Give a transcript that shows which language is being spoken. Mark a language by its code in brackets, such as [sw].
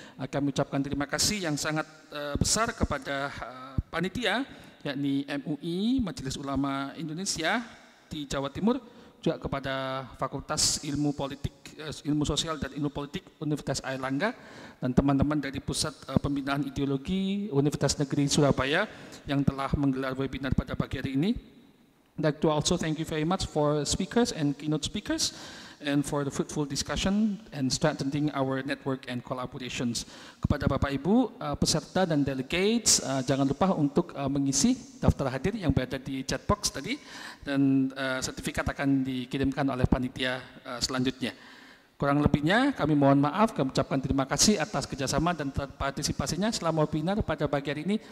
[id] Kami ucapkan terima kasih yang sangat besar kepada panitia, yakni MUI, Majelis Ulama Indonesia di Jawa Timur, juga kepada Fakultas Ilmu Politik, Ilmu Sosial dan Ilmu Politik Universitas Airlangga, dan teman-teman dari Pusat Pembinaan Ideologi Universitas Negeri Surabaya yang telah menggelar webinar pada pagi hari ini. [en] I'd like to also thank you very much for speakers and keynote speakers and for the fruitful discussion and strengthening our network and collaborations. [id] Kepada Bapak-Ibu, peserta dan delegates, jangan lupa untuk mengisi daftar hadir yang berada di chat box tadi, dan sertifikat akan dikirimkan oleh panitia selanjutnya. Kurang lebihnya, kami mohon maaf, kami ucapkan terima kasih atas kerjasama dan partisipasinya selama webinar pada pagi hari ini.